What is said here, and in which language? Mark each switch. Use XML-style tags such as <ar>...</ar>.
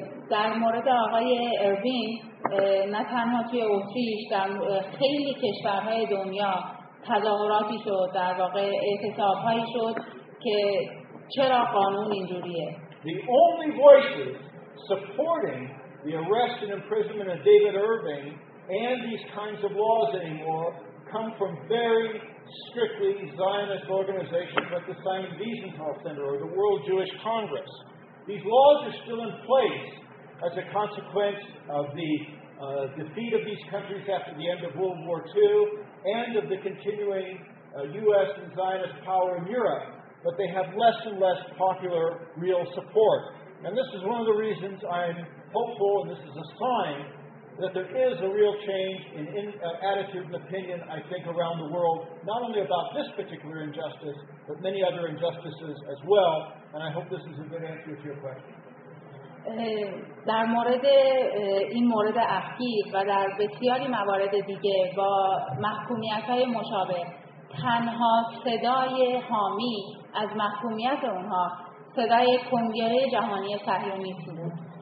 <fa>در مورد آقای اروین نه تنها توی اتریش، در خیلی کشورهای دنیا تظاهراتی شد، در واقع اعتصابهایی شد که چرا قانون اینجوریه.</fa> <en>The only voices supporting the arrest and imprisonment of David Irving and these kinds of laws anymore come from very strictly Zionist organizations like the Simon Wiesenthal Center or the World Jewish Congress. These laws are still in place as a consequence of the defeat of these countries after the end of World War II and of the continuing U.S. and Zionist power in Europe, but they have less and less popular real support. And this is one of the reasons I'm hopeful, and this is a sign that there is a real change in attitude and opinion, I think, around the world, not only about this particular injustice, but many other injustices as well. And I hope this is a good answer to your question.</en> <fa>در مورد این مورد اخیر و در بسیاری موارد دیگه با محکومیت‌های مشابه، تنها صدای حامی از محکومیت اونها صدای کنگره جهانی صهیونیست بود.</fa>